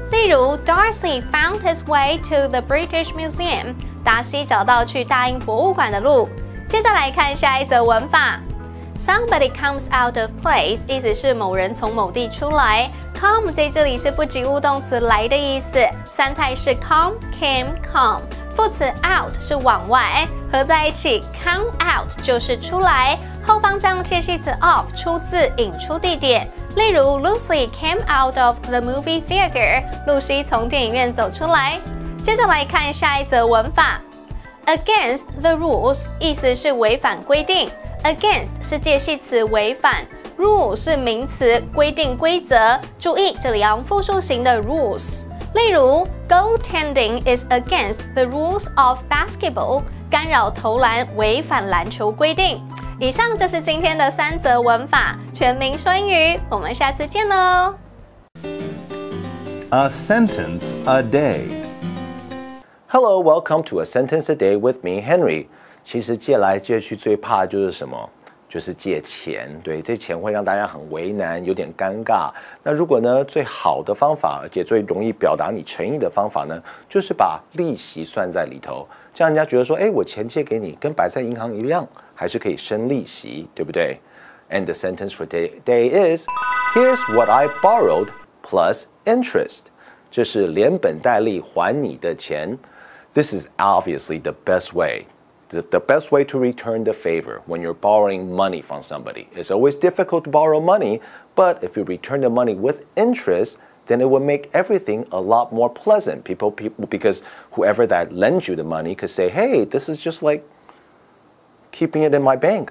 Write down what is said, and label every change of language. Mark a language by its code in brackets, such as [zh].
[zh] 例如 [en] Darcy found his way to the British Museum. [zh] 达西找到去大英博物馆的路。接下来看下一则文法。 [en] Somebody comes out of place [zh] 意思是某人从某地出来。 Come 在这里是不及物动词来的意思。三态是 come, came, come. 副词 out 是往外，合在一起 come out 就是出来，后方再用介系词 of 出自引出地点。例如 [en] Lucy came out of the movie theater， [zh] 露西从电影院走出来。接着来看下一则文法 ，against the rules 意思是违反规定 ，against 是介系词违反 ，rule 是名词规定规则，注意这里要用复数型的 rules。例如 [en] ,goaltending is against the rules of basketball, [zh] 干扰投篮违反篮球规定。以上就是今天的三则文法，全民说英语，我们下次见喽。 [en] A sentence a day. Hello, welcome to A Sentence a Day with me, Henry. [zh] 其实借来借去最怕就是什么？就是借钱，对，这钱会让大家很为难，有点尴尬。那如果呢，最好的方法，而且最容易表达你诚意的方法呢，就是把利息算在里头，这样人家觉得说，哎，我钱借给你，跟摆在银行一样，还是可以生利息，对不对？ [en] And the sentence for today is, here's what I borrowed plus interest. [zh] 这是连本带利还你的钱。 [en] This is obviously the best way. The best way to return the favor when you're borrowing money from somebody. It's always difficult to borrow money, but if you return the money with interest, then it will make everything a lot more pleasant. Because whoever that lends you the money could say, hey, this is just like keeping it in my bank.